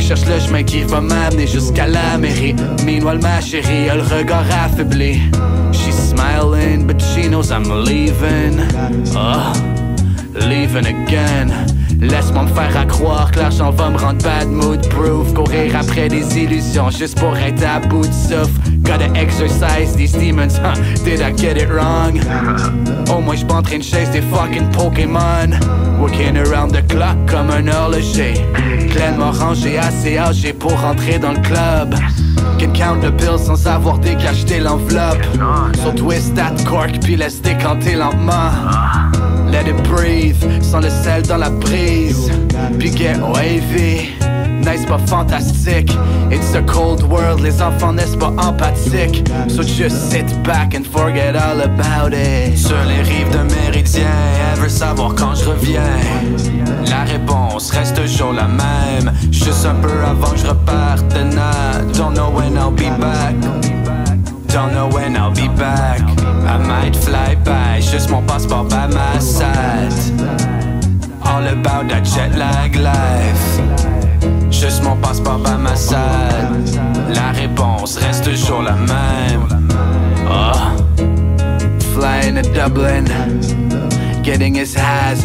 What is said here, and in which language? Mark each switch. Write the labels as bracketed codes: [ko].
[fr] Cherche le chemin qui va m'amener jusqu'à la mairie. Meanwhile, ma chérie a le regard affaibli. [en] She's smiling, but she knows I'm leaving. Oh, leaving again. [fr] Laisse-moi me faire à croire que l'argent va me rendre [en] bad mood proof. [fr] Courir après des illusions juste pour être à bout de souffle. [en] Gotta exercise these demons, huh? Did I get it wrong? [fr] Au moins j'suis pas en train de chase des fucking Pokémon. [en] Working around the clock [fr] comme un horloger. Pleinement rangé, assez âgé pour rentrer dans le club. [en] Can count the bills [fr] sans avoir décacheté l'enveloppe. [en] So twist that cork [fr] puis laisse décanter lentement. [en] Let it breathe, [fr] sans le sel dans la brise. [en] Puis get wavy, nice but fantastic. It's a cold world, [fr] les enfants n'est-ce pas empathique. [en] So just sit back and forget all about it. [fr] Sur les rives de Méridien, elle veut savoir quand je reviens. La réponse reste toujours la même. Juste un peu avant que je reparte. [en] Nah, don't know when I'll be back. Don't know when I'll be back. I might fly by, just [fr] mon passeport [en] by my side. All about that jet lag life. Just [fr] mon passeport [en] by my side. [fr] La réponse reste toujours la même. Oh. [en] Flying to Dublin, getting his highs.